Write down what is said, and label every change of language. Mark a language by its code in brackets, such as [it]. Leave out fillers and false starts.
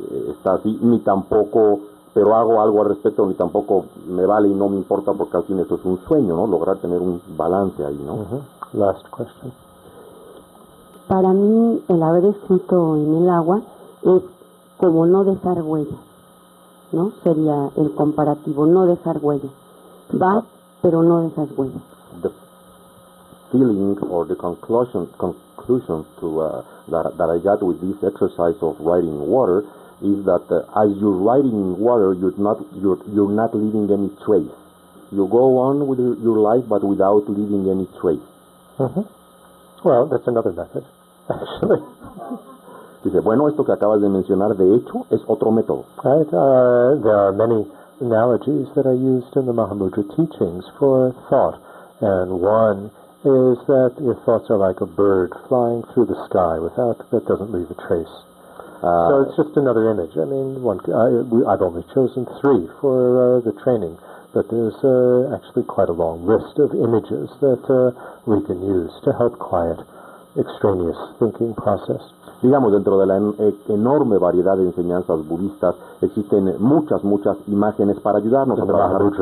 [es] Está así, ni tampoco, pero hago algo al respecto, ni tampoco me vale y no me importa porque al fin esto es un sueño, ¿no? Lograr tener un balance ahí, ¿no? [en] Uh-huh. Last question. [es] Para mí, el haber escrito en el agua es como no dejar huella, ¿no? Sería el comparativo, no dejar huella. Vas, pero no dejas huella. [en] The feeling or the conclusion to that I got with this exercise of writing water is that as you're writing water, you're not leaving any trace. You go on with your life, but without leaving any trace. Mm-hmm. Well, that's another method, actually. [es] Dice, bueno, esto que acabas de mencionar, de hecho, es otro método. [en] Right, there are many analogies that are used in the Mahamudra teachings for thought. And one is that your thoughts are like a bird flying through the sky without, that doesn't leave a trace. So it's just another image. I mean, I've only chosen three for the training, but there's actually quite a long list of images that we can use to help quiet extraneous thinking process. [es] Digamos, dentro de la enorme variedad de enseñanzas budistas, existen muchas, muchas imágenes para ayudarnos a trabajar.